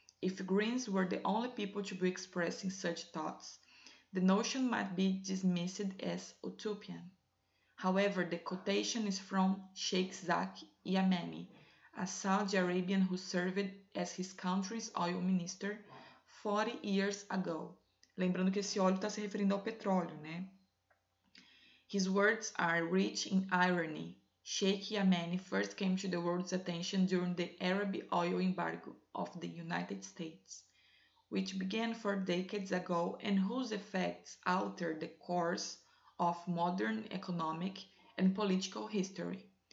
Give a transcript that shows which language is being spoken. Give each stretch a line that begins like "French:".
English: If Greens were the only people to be expressing such thoughts, the notion might be dismissed as utopian. However, the quotation is from Sheikh Zaki Yameni, a Saudi Arabian who served as his country's oil minister 40 years ago.
Portuguese: Lembrando que esse óleo está se referindo ao petróleo, né?
English: His words are rich in irony. Sheikh Yameni first came to the world's attention during the Arab oil embargo of the United States, which began 4 decades ago and whose effects altered the course of modern economic and political history.